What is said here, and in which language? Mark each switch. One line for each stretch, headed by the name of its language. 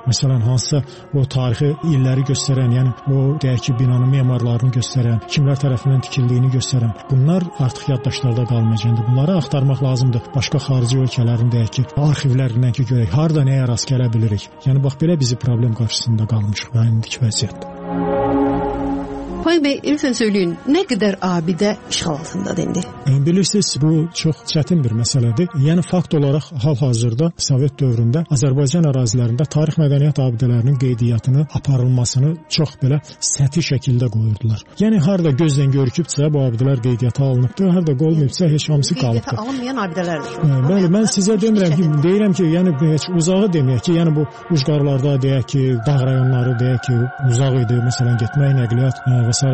Azerbaijani: Məsələn, hansısa o tarixi illəri göstərən, yəni o deyək ki, binanın memarlarını göstərən, kimlər tərəfindən tikildiyini göstərən, bunlar artıq yaddaşlarda qalmayacaqdır. Bunları axtarmaq lazımdır. Başqa xarici ölkələrin deyək ki, arxivlərindən ki, görək, harda nəyə rast gələ bilirik. Yəni, bax, belə bizi problem qarşısında qalmışıq və indiki vəziyyətdir.
Turkish: Fahim Bey, lütfen söyleyin, ne kadar abidə işğal altında dindi? Bilirsiniz, bu çok çetin bir meseledir.
Azerbaijani: Yani fakt olarak hal-hazırda Sovet dövründə Azərbaycan ərazilərində tarix mədəniyyət abidələrinin qeydiyyatını, aparılmasını çox belə səti şəkildə qoyurdular. Yani harada gözdən görükübsə bu abidələr qeydiyyata alınıbdır, harada qolmayıbsə heç hamısı qalıbdır. Qeydiyyata alınmayan abidələrdir. Bəli, mən sizə demirəm ki, uzağı demək ki, yəni bu ucqarlarda deyək ki, dağ rayonları deyək ki, uzaq idi, məsələn, getmək, nəqliyyat və s.